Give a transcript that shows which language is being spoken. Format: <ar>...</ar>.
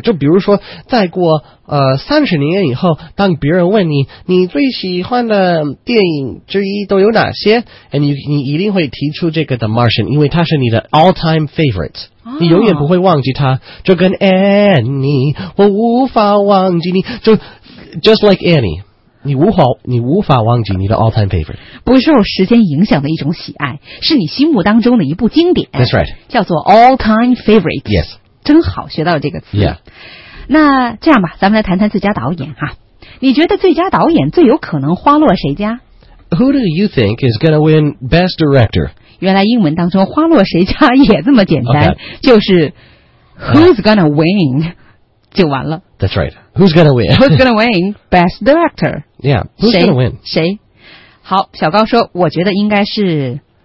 <zh>就比如说再过30年以后，当别人问你你最喜欢的电影之一都有哪些，</zh> <en>and you,</en> <zh>你一定会提出这个 The Martian， 因为他是你的</zh> <en>all time favorite，</en> <zh>你永远不会忘记他，就跟 Annie 我无法忘记你，就</zh> <en>just like Annie，</en> <zh>你无法忘记你的 all time favorite，不受时间影响的一种喜爱，是你心目当中的一部经典。</zh> <en>That's right，</en> <zh>叫做</zh> <en>all time favorite。 Yes，</en> <zh>真好，学到了这个词。</zh> <en>Yeah，</en> <zh>那这样吧，咱们来谈谈最佳导演哈。你觉得最佳导演最有可能花落谁家</zh> <en>？Who do you think is going to win best director？</en> <zh>原来英文当中花落谁家也这么简单，</zh> <en>okay.</en> <zh>就是</zh> <en>who's going to win</en> <zh>就完了。</zh> <en>That's right. Who's going to win? Who's going to win? Best director. Yeah. Who's going to win?</en> <zh>谁？好，小高说，我觉得应该是。</zh>